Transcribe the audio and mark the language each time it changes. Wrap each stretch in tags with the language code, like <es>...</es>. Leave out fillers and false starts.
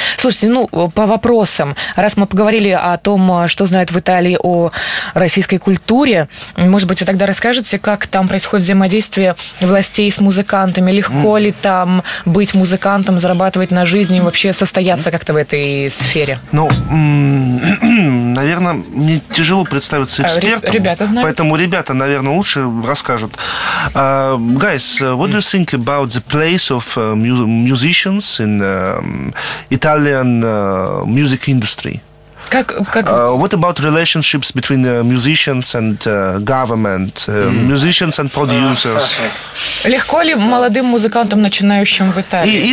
<ru>Слушайте, ну, по вопросам. Раз мы поговорили о том, что знают в Италии о российской культуре, может быть, вы тогда расскажете, как там происходит взаимодействие властей с музыкантами? Легко ли там быть музыкантом, зарабатывать на жизнь и вообще состояться как-то в этой сфере? Ну, наверное, мне тяжело представиться экспертом. Ребята знают. Поэтому ребята, наверное, лучше расскажут.</ru> <en>Guys, what do you think about the place of musicians in Italian music industry?</en> <ru>Как?</ru> <en>What about relationships between musicians and government, musicians and producers?</en> <ru>Легко ли молодым музыкантам, начинающим в Италии?</ru>